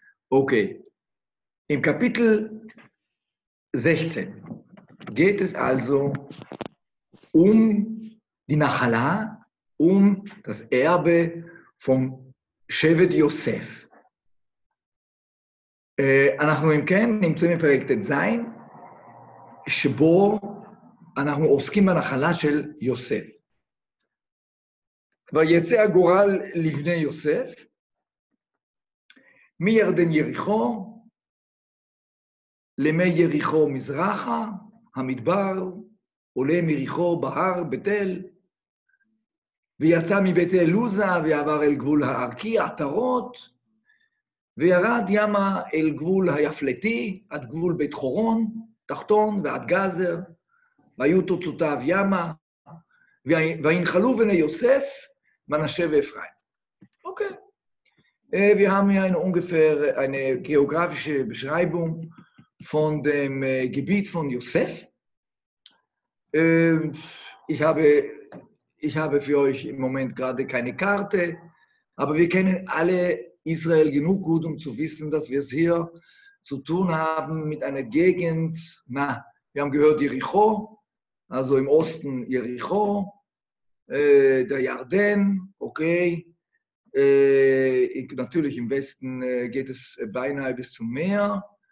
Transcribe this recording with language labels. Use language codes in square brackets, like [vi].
[de] Okay, im Kapitel 16 geht es also um die Nachala, um das Erbe vom Shevet Yosef. [he] אנחנו אם כן נמצאים בפרק ט"ז שבו אנחנו עוסקים בנחלה של יוסף. ויצא הגורל לבני יוסף מירדן יריחו למי יריחו מזרחה, המדבר עולה מיריחו בהר בית אל, ויצא מבית אל לוזה ועבר אל גבול הערכי עטרות, וירד ימה אל גבול היפלטי, עד גבול בית חורון, תחתון ועד גזר, והיו תוצאותיו ימה, והנחלו בני יוסף, מנשה ואפרים. [de] אוקיי. Wir haben hier ungefähr eine geografische Beschreibung von dem Gebiet von Josef. Ich habe für euch im Moment gerade keine Karte, aber wir kennen alle Israel genug gut, um zu wissen, dass wir es hier zu tun haben mit einer Gegend, na, wir haben gehört Jericho, also im Osten Jericho, der Jordan, okay, natürlich im Westen geht es beinahe bis zum Meer.